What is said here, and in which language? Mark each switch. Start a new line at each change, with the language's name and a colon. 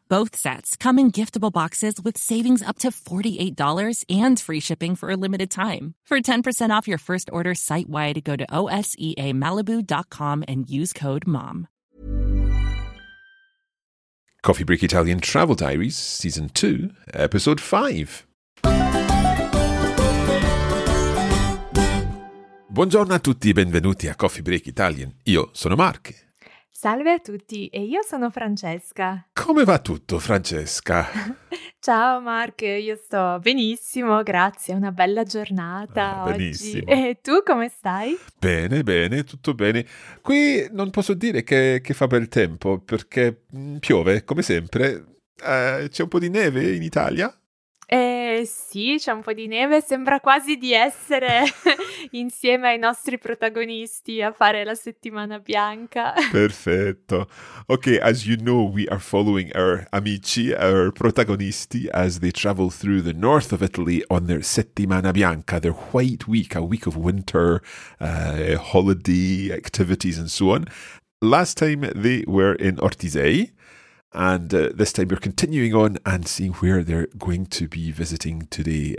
English: Both sets come in giftable boxes with savings up to $48 and free shipping for a limited time. For 10% off your first order site-wide, go to oseamalibu.com and use code MOM. Coffee Break Italian Travel Diaries, Season 2, Episode 5.
Italian: Buongiorno a tutti e benvenuti a Coffee Break Italian. Io sono Mark. Salve a tutti, e io sono Francesca. Come va tutto, Francesca? Ciao, Mark, io sto benissimo, grazie, una bella giornata benissimo. Oggi. E tu come stai? Bene, bene, tutto bene. Qui non posso dire che fa bel tempo, perché piove, come sempre. C'è un po' di neve in Italia? Sì, c'è un po' di neve, sembra quasi di essere insieme ai nostri protagonisti a fare la settimana bianca. Perfetto.
English: Ok, as you know, we are following our amici, our protagonisti, as they travel through the north of Italy on their settimana bianca, their white week, a week of winter, holiday activities and so on. Last time they were in Ortisei. And this time we're continuing on and seeing where they're going to be visiting today.